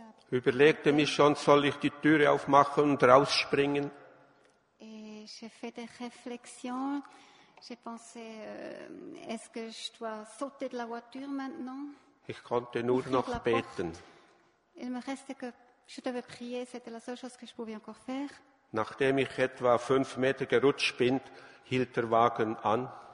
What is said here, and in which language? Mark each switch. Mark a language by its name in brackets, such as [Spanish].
[German] Überlegte mir schon, soll ich die Türe aufmachen und rausspringen? [French] j'ai fait des réflexions. J'ai pensé, est-ce que je dois sauter de la voiture maintenant? [German] Ich konnte nur noch beten. [French] Il me restait que je devais prier, c'était la seule chose que je pouvais encore faire. [German] Nachdem ich etwa 5 Meter gerutscht bin, hielt der Wagen an.